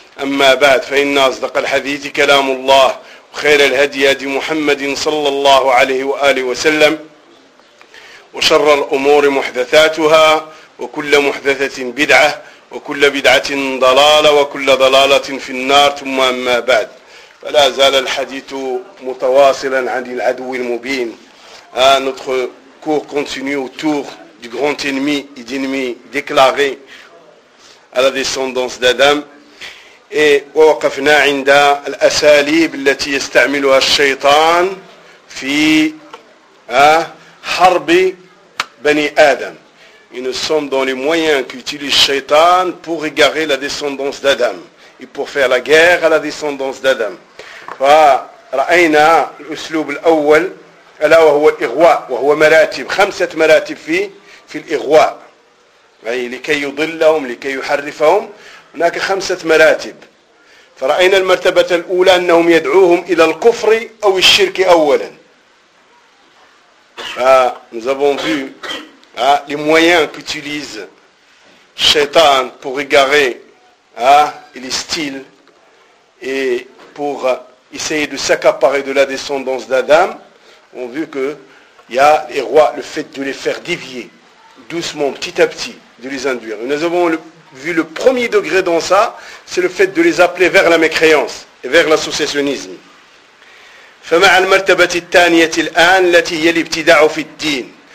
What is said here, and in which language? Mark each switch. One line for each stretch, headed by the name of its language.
Arabic: أما بعد، فإن أصدق الحديث كلام الله وخير الهدي هدي محمد صلى الله عليه وآله وسلم، وشر الأمور محدثاتها، وكل محدثة بدعة، وكل بدعة ضلالة، وكل ضلالة في النار. ثم أما بعد، فلا زال الحديث متواصلا عن العدو المبين.
French: Notre cours continue autour du grand ennemi et d'ennemi déclaré à la descendance d'Adam.
Arabic: ووقفنا عند الأساليب التي يستعملها الشيطان في حرب بني آدم.
French: Nous sommes dans les moyens qu'utilise Shaitan pour égarer la descendance d'Adam et pour faire la guerre à la descendance d'Adam.
Arabic: فرأينا الأسلوب الأول ألا وهو الإغواء، وهو مراتب، خمسة مراتب في الإغواء، أي لكي يضلهم، لكي يحرفهم. هناك خمسة مراتب. فرأينا المرتبة الأولى أنهم يدعوهم إلى الكفر أو الشرك أولا.
French: Nous avons vu les moyens qu'utilise Shaitan pour égarer les styles et pour essayer de s'accaparer de la descendance d'Adam. On a vu que il y a les rois, le fait de les faire dévier doucement, petit à petit, de les induire. Nous avons vu le premier degré dans ça, c'est le fait de les appeler vers la mécréance et vers l'associationnisme.
Arabic: فمع المرتبة الثانية الآن التي هي الابتداع في الدين.